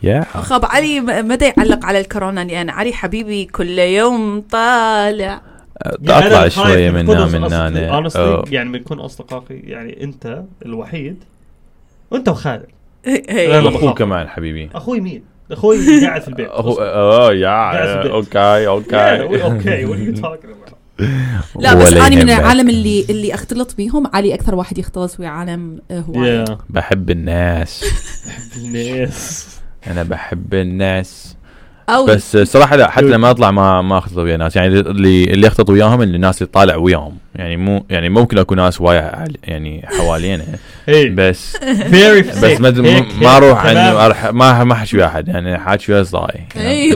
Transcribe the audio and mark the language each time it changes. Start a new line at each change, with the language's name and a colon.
Arabic: خب علي متى يعلق على الكورونا؟ لان علي حبيبي كل يوم طالع اطلع شوية من نانا. يعني بنكون اصدقائي يعني انت الوحيد وانت وخالد. اخوك كمان حبيبي. اخوي مين؟ اخوي قاعد في البيت. اوه يا اوكي اوكي
English: Okay. what are you talking about
Arabic: لا بس أنا من العالم اللي أختلط بيهم. علي أكثر واحد يختلط في عالم هو yeah. بحب الناس. بحب الناس. أنا بحب الناس بس صراحة لا حتى لما أطلع ما أختلط ويا ناس. يعني اللي أختلط وياهم اللي الناس اللي طالع وياهم يعني مو يعني ممكن أكون ناس وايا يعني حوالينا بس بس ما أروح عنه ما حشوي أحد يعني حاجوي أصدقائي يعني